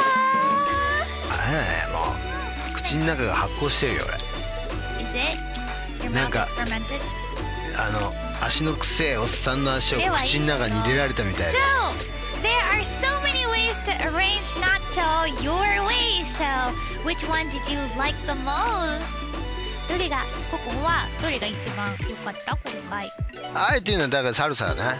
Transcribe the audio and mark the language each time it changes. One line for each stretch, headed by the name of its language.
Japanese: あれもう口の中が発酵してるよ、俺。
English: Is it? Your mouth is fermented?
Japanese: あの足のくせえおっさんの足を口の中に入れられたみたいな。
English: So there are so many ways to arrange natto your way. So which one did you like the most?
Japanese: どれがココモはどれが一番良かった今回。あえて言うのはだからサルサだね。